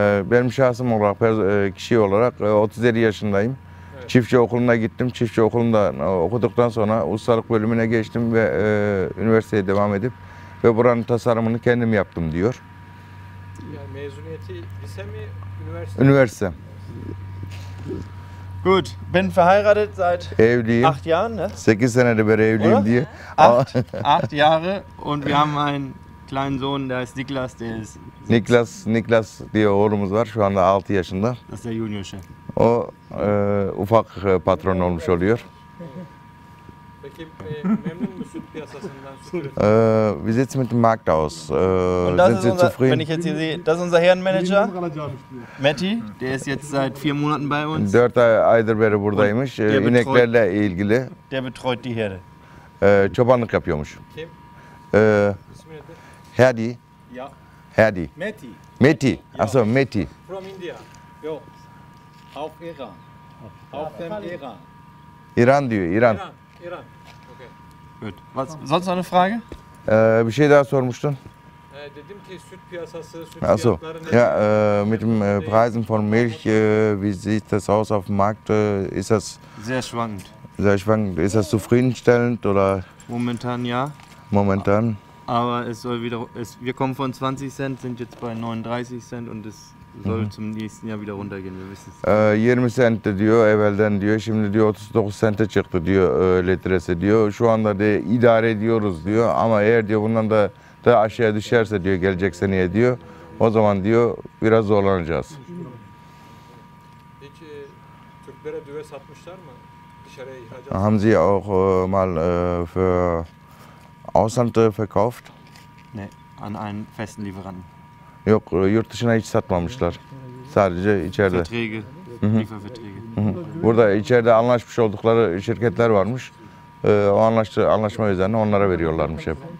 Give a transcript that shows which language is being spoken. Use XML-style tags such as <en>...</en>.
<tr>Benim şahsım olarak, kişi olarak 37 yaşındayım. Evet. Çiftçi okuluna gittim. Çiftçi okulunda okuduktan sonra ustalık bölümüne geçtim ve üniversiteye devam edip ve buranın tasarımını kendim yaptım diyor. Yani mezuniyeti lise mi, üniversite? Üniversite.</tr> <de>Gut, bin verheiratet seit 8 Jahren, ne?</de> <tr>8 senedir beri evliyim diye.</tr> <de>8 Jahre und wir haben einen kleinen Sohn, der heißt Niklas, der ist</de> <tr>Niklas diye oğlumuz var. Şu anda 6 yaşında.</tr> <de>Das der Junior Chef.</de> <tr>O ufak patron olmuş oluyor. Peki memnun musun süt piyasasından?</tr> <de>Wie sieht's mit dem Markt aus? Sind Sie zufrieden? Wenn ich jetzt hier sehe, das ist unser Herrenmanager. Matti, der ist jetzt seit 4 Monaten bei uns.</de> <tr>4 aydır beri buradaymış. İneklerle ilgili.</tr> <de>Der betreut die Herde.</de> <tr>Çobanlık yapıyormuş. Kim?</tr> <de>Herdi. Ja. Herdi. Meti. Achso, Meti.</de> <en>From India.</en> <de>Jo. Auf Iran. Auf dem Iran.</de> <tr>İran diyor, İran. İran. Okay.</tr> <de>Gut. Was, sonst noch eine Frage?</de> <tr>Bir şey daha sormuştun. Dedim ki süt piyasası, süt fiyatları ne?</tr> <de>Ja, mit dem Preisen von Milch, wie sieht das aus auf dem Markt? Ist das sehr schwankend. Sehr schwankend. Ist das zufriedenstellend oder? Momentan ja. Momentan. Aber es soll wieder, wir kommen von 20 Cent, sind jetzt bei 39 Cent und es soll zum nächsten Jahr wieder runtergehen, wir wissen es.</de> <tr>20 Cent diyor, evvelden diyor, şimdi diyor 39 Cent'e çıktı diyor, litresi diyor. Şu anda de idare ediyoruz diyor ama eğer diyor bundan da aşağıya düşerse diyor, gelecek seneye diyor, o zaman diyor biraz zorlanacağız. Hiç Türklere düve satmışlar mı? Dışarıya ihracat?</tr> <de>Hamzi auch mal für Ausland verkauft? Nee, an einen festen Lieferanten.</de> <tr>Yok, yurt dışına hiç satmamışlar. Sadece içeride.</tr> <de>Verträge, Lieferverträge.</de> <tr>Burada içeride anlaşmış oldukları şirketler varmış. O anlaşma üzerine onlara veriyorlarmış hep.</tr>